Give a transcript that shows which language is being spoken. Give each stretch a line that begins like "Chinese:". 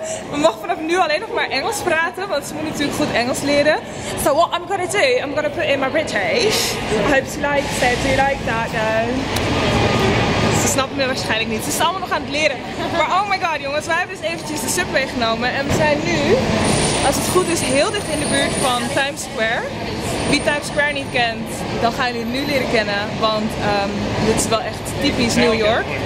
Dutch: We mogen vanaf nu alleen nog maar Engels praten, want ze moet natuurlijk goed Engels leren.
English: So what I'm gonna do, I'm gonna put in my British. I hope you like that, do you like that then?
Dutch: Ze snappen me waarschijnlijk niet. Ze is allemaal nog aan het leren. Maar
English: oh my god
Dutch: jongens, wij hebben dus eventjes de subway genomen. En we zijn nu, als het goed is, heel dicht in de buurt van Times Square. Wie Times Square niet kent, dan gaan jullie het nu leren kennen. Want dit is wel echt typisch New York.